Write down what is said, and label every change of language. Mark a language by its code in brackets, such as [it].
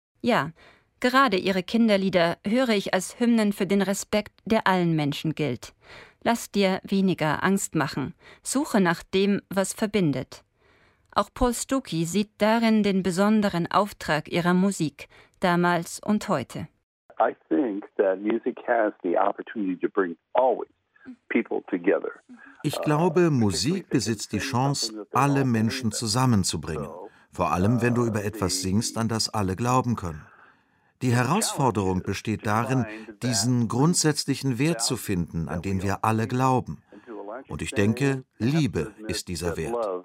[de] Ja, gerade ihre Kinderlieder höre ich als Hymnen für den Respekt, der allen Menschen gilt. Lass dir weniger Angst machen. Suche nach dem, was verbindet. Auch Paul Stuckey sieht darin den besonderen Auftrag ihrer Musik, damals und heute. [en] I think that music has the opportunity to bring always people together. [de] Ich glaube, Musik besitzt die Chance, alle Menschen zusammenzubringen. Vor allem, wenn du über etwas singst, an das alle glauben können. Die Herausforderung besteht darin, diesen grundsätzlichen Wert zu finden, an den wir alle glauben. Und ich denke, Liebe ist dieser Wert.